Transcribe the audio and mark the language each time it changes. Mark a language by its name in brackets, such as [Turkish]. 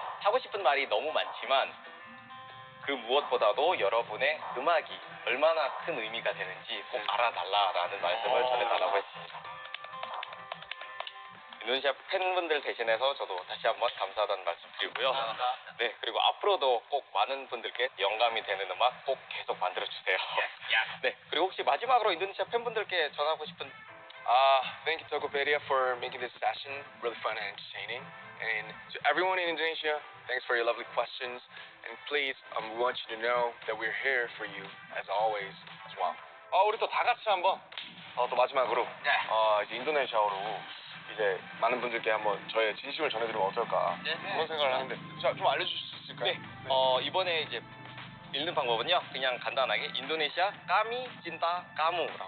[Korean] 하고 싶은 말이 너무 많지만 그 무엇보다도 여러분의 음악이 얼마나 큰 의미가 되는지 꼭 알아달라라는 말씀을 전해달라고 했습니다. 눈샵 팬분들 대신해서 저도 다시 한번 감사하다는 말씀 드리고요. 네, 그리고 앞으로도 꼭 많은 분들께 영감이 되는 음악 꼭 계속 만들어주세요. 네, 그리고 혹시 마지막으로 인도네시아 팬분들께 전하고 싶은 [English] Thank you Tokopedia for making this session really fun and entertaining. And to everyone in Indonesia, thanks for your lovely questions. And please, we want you to know that we're here for you as always as well. [Korean] 우리 또 다 같이 한번 또 마지막으로 네. 이제 인도네시아어로 이제 많은 분들께 한번 저의 진심을 전해드리면 어떨까 네. 그런 생각을 하는데 좀 알려주실 수 있을까요? 네. 네. 이번에 이제 읽는 방법은요 그냥 간단하게 인도네시아 까미 찐따 까무라고